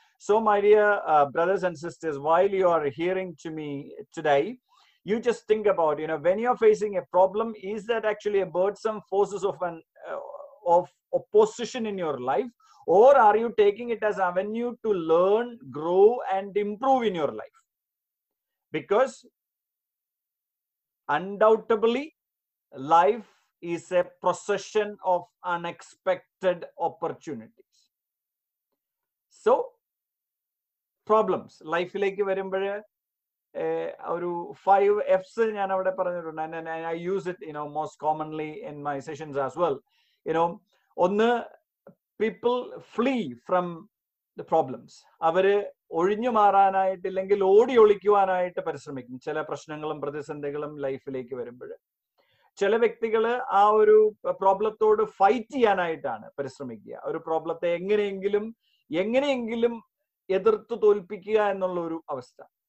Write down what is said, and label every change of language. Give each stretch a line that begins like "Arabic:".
English: So my dear brothers and sisters, while you are hearing to me today, you just think about, you know, when you are facing a problem, is that actually a burdensome forces of opposition in your life, or are you taking it as avenue to learn, grow and improve in your life? Because undoubtedly life is a procession of unexpected opportunities. So problems life like
Malayalam: varumbare oru 5 f's njan avade paranjirunna,
English: and I use it, you know, most commonly in my sessions as well, you know.
Malayalam: ഒന്ന്,
English: people flee from the problems.
Malayalam: അവര് ഒഴിഞ്ഞു മാറാനായിട്ടില്ലെങ്കിൽ ഓടി ഒളിക്കുവാനായിട്ട് പരിശ്രമിക്കും ചില പ്രശ്നങ്ങളും പ്രതിസന്ധികളും ലൈഫിലേക്ക് വരുമ്പോൾ. ചില വ്യക്തികൾ ആ ഒരു പ്രോബ്ലത്തോട് ഫൈറ്റ് ചെയ്യാനായിട്ടാണ് പരിശ്രമിക്കുക, ഒരു പ്രോബ്ലത്തെ എങ്ങനെയെങ്കിലും എതിർത്ത് തോൽപ്പിക്കുക എന്നുള്ള ഒരു അവസ്ഥ.